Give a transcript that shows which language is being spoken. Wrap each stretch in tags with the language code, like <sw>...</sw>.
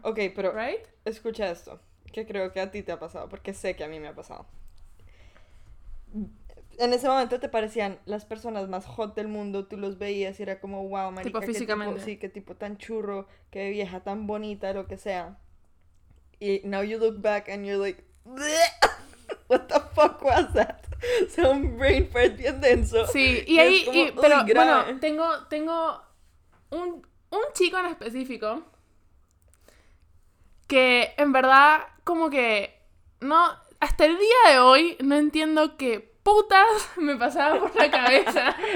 <es>Ok, pero right? Escucha esto. Que creo que a ti te ha pasado, porque sé que a mí me ha pasado. En ese momento te parecían las personas más hot del mundo, tú los veías y era como, wow, marica, tipo físicamente. Qué tipo, sí, qué tipo tan churro, qué vieja tan bonita, lo que sea.</es> <en>Y now you look back and you're like, bleh, what the fuck was that? Some brain fart</en> <es>bien denso. Sí, y ahí, como, y, pero bueno, tengo un chico en específico. Que, en verdad, como que, no, hasta el día de hoy, no entiendo qué putas me pasaba por la cabeza.</es>